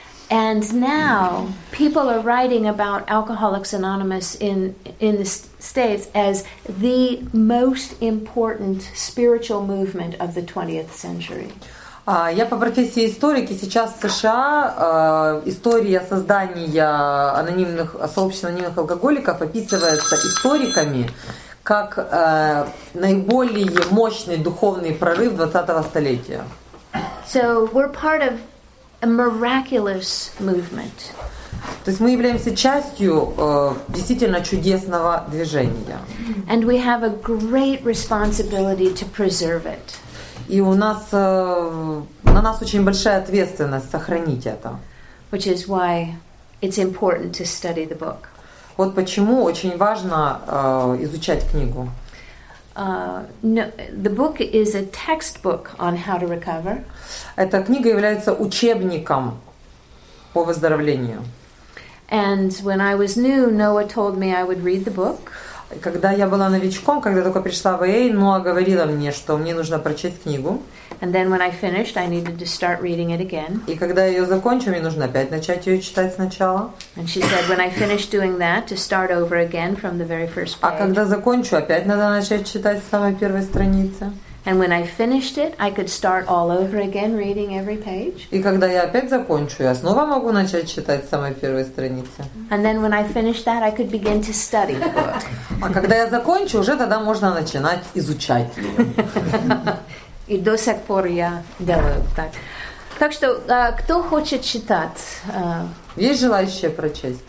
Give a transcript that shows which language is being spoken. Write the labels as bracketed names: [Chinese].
[English] And now people are writing about Alcoholics Anonymous in the States as the most important spiritual movement of the 20th century. [Russian] Я по профессии историк, и сейчас в США история создания анонимных сообществ анонимных алкоголиков описывается историками как наиболее мощный духовный прорыв 20-го столетия. [English] So we're part of a miraculous movement. [Russian] То есть мы являемся частью действительно чудесного движения. [English] And we have a great responsibility to preserve it. [Russian] И у нас на нас очень большая ответственность сохранить это. [English] Which is why it's important to study the book. [Russian] Вот почему очень важно изучать книгу. [English] The book is a textbook on how to recover. [Russian] Эта книга является учебником по выздоровлению. [English] And when I was new, Noah told me I would read the book. [Russian] Когда я была новичком, когда только пришла в АА, Ноа говорила мне, что мне нужно прочесть книгу. [English] And then when I finished, I needed to start reading it again. [Russian] И когда я ее закончу, мне нужно опять начать ее читать сначала. [English] And she said, when I finish doing that, to start over again from the very first page. [Russian] А когда закончу, опять надо начать читать с самой первой страницы. [English] And when I finished it, I could start all over again, reading every page. [Russian] И когда я опять закончу, я снова могу начать читать с самой первой страницы. [English] And then when I finished that, I could begin to study. [Russian] А когда я закончу, уже тогда можно начинать изучать. И до сих пор я делаю так. Так что, кто хочет читать? Есть желающие прочесть?